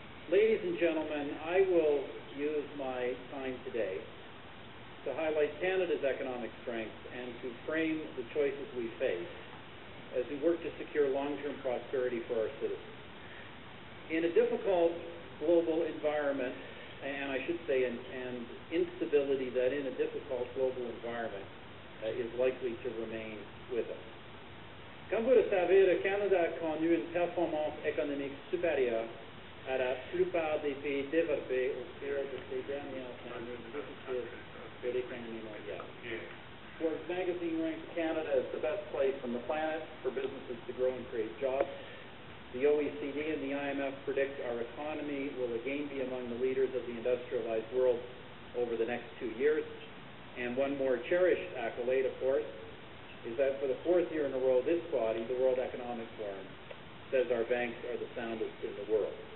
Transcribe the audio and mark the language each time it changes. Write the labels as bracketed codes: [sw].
[en] Ladies and gentlemen, I will use my time today to highlight Canada's economic strength and to frame the choices we face as we work to secure long-term prosperity for our citizens. In a difficult global environment, and I should say and instability that in a difficult global environment is likely to remain with us. [fr] Comme vous le savez, le Canada a connu une performance économique supérieure à la plupart des pays développés au cours de ces dernières années difficiles de l'économie mondiale. [en] Forbes magazine ranks Canada as the best place on the planet for businesses to grow and create jobs. The OECD and the IMF predict our economy will again be among the leaders of the industrialized world over the next 2 years. And one more cherished accolade, of course, is that for the fourth year in a row, this body, the World Economic Forum, says our banks are the soundest in the world.